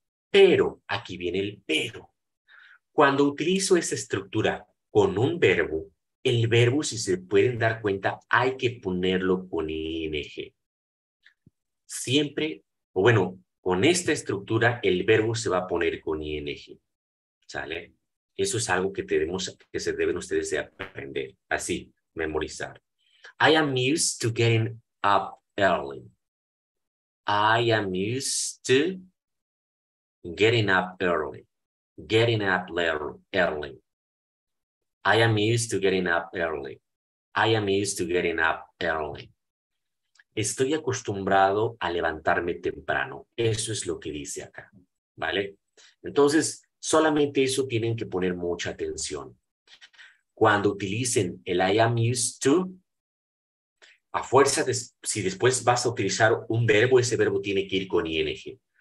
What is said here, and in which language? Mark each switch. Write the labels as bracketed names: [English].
[Spanish] Pero aquí viene el pero. Cuando utilizo esa estructura con un verbo, el verbo, si se pueden dar cuenta, hay que ponerlo con ing. Siempre, o bueno, con esta estructura, el verbo se va a poner con ing. ¿Sale? Eso es algo que se deben ustedes de aprender, así, memorizar. [English] I am used to getting up early. I am used to getting up early. Getting up early. I am used to getting up early. I am used to getting up early. [Spanish] Estoy acostumbrado a levantarme temprano. Eso es lo que dice acá, ¿vale? Entonces, solamente eso tienen que poner mucha atención. Cuando utilicen el [English] I am used to, [Spanish] a fuerza de, si después vas a utilizar un verbo, ese verbo tiene que ir con ing.